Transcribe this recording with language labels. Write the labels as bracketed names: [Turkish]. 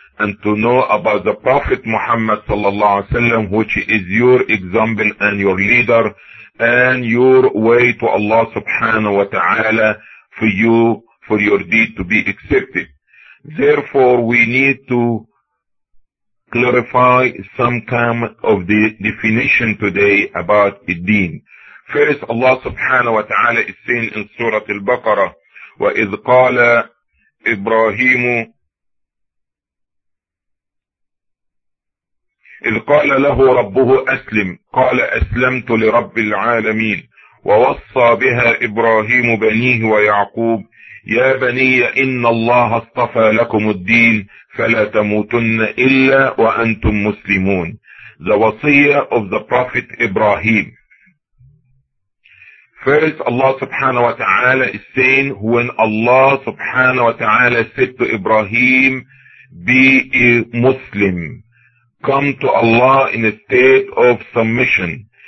[English] And to know about the Prophet Muhammad sallallahu alaihi wasallam, which is your example and your leader, and your way to Allah subhanahu wa ta'ala for you, for your deed to be accepted. Therefore, we need to clarify some kind of the definition today about deen. First, Allah subhanahu wa ta'ala is saying in Surah Al-Baqarah, [Arabic] وَإِذْ قَالَ إِبْرَاهِيمُ إذ قال له ربه أسلم قال أسلمت لرب العالمين ووصى بها إبراهيم بنيه ويعقوب يا بني إن الله اصطفى لكم الدين فلا تموتن إلا وأنتم مسلمون. [English] The wasiyah of the Prophet Ibrahim. First, Allah subhanahu wa ta'ala is saying, when Allah subhanahu wa ta'ala said to Ibrahim, be a Muslim, come to Allah in a state of submission.